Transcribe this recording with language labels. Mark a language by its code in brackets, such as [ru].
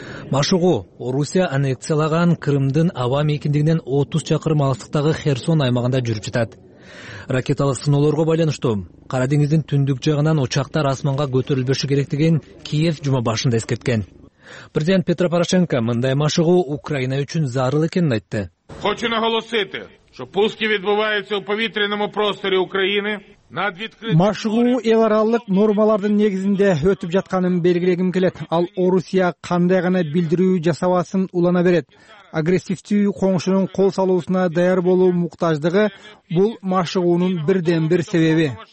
[ky] Машыгуу Орусия аннексиялаган Кырымдын аба мекиндигинен 30 чакырым алыстыктагы Херсон аймагында жүрүп жатат. Ракеталык сыноолорго байланыштуу Кара деңиздин түндүк жагынан учактар асманга көтөрүлбөшү керектигин Киев жума башында эскерткен. Президент Петро Порошенко мындай машыгуу Украина үчүн зарыл экенин айтты. [uk] Хочу наголосити, что пуски відбуваються у повітряному просторі України. [ky] Машыгуу эл аралык нормалардын негизинде өтүп жатканын белгилегим келет. Ал Орусия кандай гана билдирүү жасабасын улана берет. Агрессивдүү коңшунун кол салуусуна даяр болуу муктаждыгы бул машыгуунун бирден бир себеби.